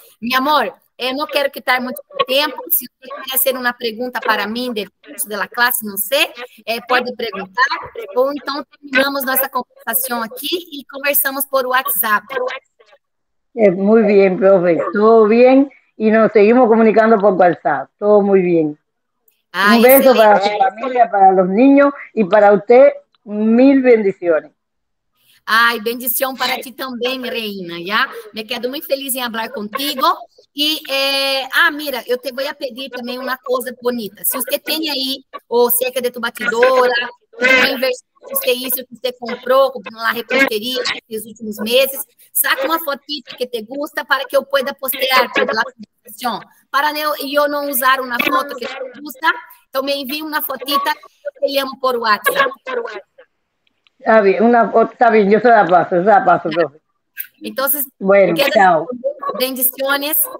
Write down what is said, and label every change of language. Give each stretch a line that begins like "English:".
Portuguese: Meu amor, eu não quero quitar muito tempo, se você quer fazer uma pergunta para mim, depois da classe, não sei, pode perguntar, ou então terminamos nossa conversação aqui e conversamos por WhatsApp. Muito bem, professor, tudo bem, e nos seguimos comunicando por WhatsApp, tudo muito bem.
Spanish: Ah, un beso excelente. Para su familia, para los niños y para usted, mil bendiciones. Ay, bendición para ti también, reina, ¿ya? Me quedo muy feliz en hablar contigo. Y, mira, yo te voy a pedir también una cosa bonita. Si usted tiene ahí o cerca de tu batidora, una inversión, si usted hizo, si usted compró, como la repostería en los últimos meses, saca una fotita que te gusta para que yo pueda postear toda la información.
Portuguese: Para eu não usar uma foto que você gosta, então me envie uma fotita que eu amo por WhatsApp. Ah, bem, uma foto, tá bem, eu só a passo, Então, bueno, tchau. Bendições.